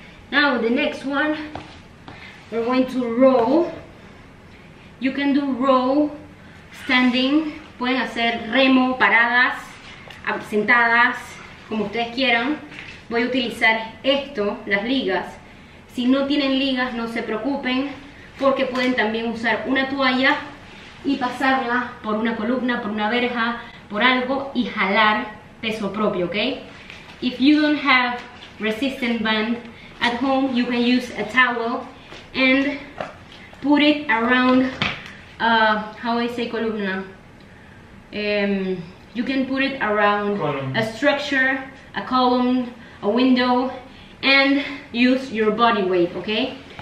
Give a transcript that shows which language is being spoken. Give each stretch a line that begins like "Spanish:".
English: Now the next one, we're going to row. You can do row standing.
Spanish: Pueden hacer remo, paradas, sentadas, como ustedes quieran. Voy a utilizar esto, las ligas. Si no tienen ligas, no se preocupen, porque pueden también usar una toalla y pasarla por una columna, por una verja, por algo y jalar peso propio, ¿ok?
English: If you don't have resistance band at home, you can use a towel and put it around, how I say columna? You can put it around column. A structure, a column, a window, and use your body weight, ¿ok?